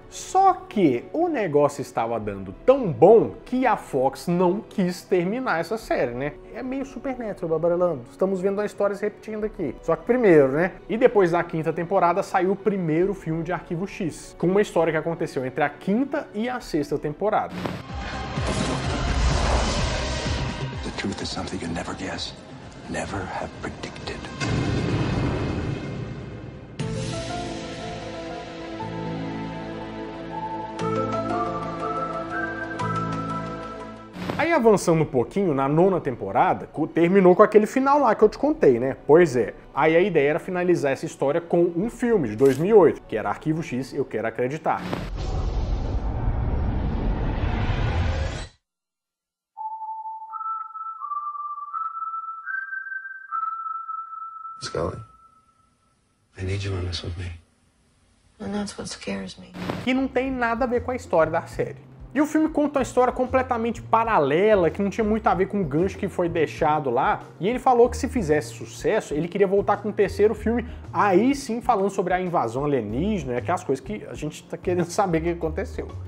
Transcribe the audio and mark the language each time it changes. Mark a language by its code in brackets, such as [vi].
[pt] Só que o negócio estava dando tão bom que a Fox não quis terminar essa série, né? É meio Supernatural, babarelando. Estamos vendo a história se repetindo aqui. Só que primeiro, né? E depois da 5ª temporada saiu o primeiro filme de Arquivo X, com uma história que aconteceu entre a 5ª e a 6ª temporada. [en] The truth is something you never guess, never have predicted. [pt] Aí avançando um pouquinho, na 9ª temporada, terminou com aquele final lá que eu te contei, né? Pois é. Aí a ideia era finalizar essa história com um filme de 2008, que era Arquivo X, Eu Quero Acreditar. [en] Scully, I need you on this with me. And that's what scares me. [pt] Que não tem nada a ver com a história da série. E o filme conta uma história completamente paralela, que não tinha muito a ver com o gancho que foi deixado lá, e ele falou que se fizesse sucesso, ele queria voltar com um terceiro filme, aí sim falando sobre a invasão alienígena, aquelas coisas que a gente tá querendo saber o que aconteceu.